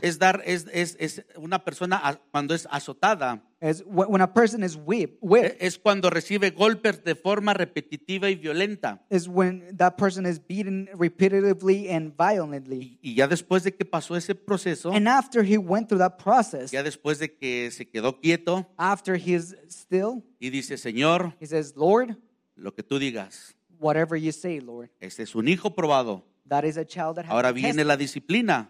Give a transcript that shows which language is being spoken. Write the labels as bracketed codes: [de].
[es] Es dar, es una persona cuando es azotada. [en] Is when a person is whipped. [es] Es cuando recibe golpes de forma repetitiva y violenta. [en] Is when that person is beaten repetitively and violently. [es] Y ya después de que pasó ese proceso. [en] And after he went through that process. [es] Ya después de que se quedó quieto. [en] After he's still. [es] Y dice, Señor. [en] He says, Lord. [es] Lo que tú digas. [en] Whatever you say, Lord. [es] Este es un hijo probado. [en] That is a child that has. [es] Ahora viene la disciplina.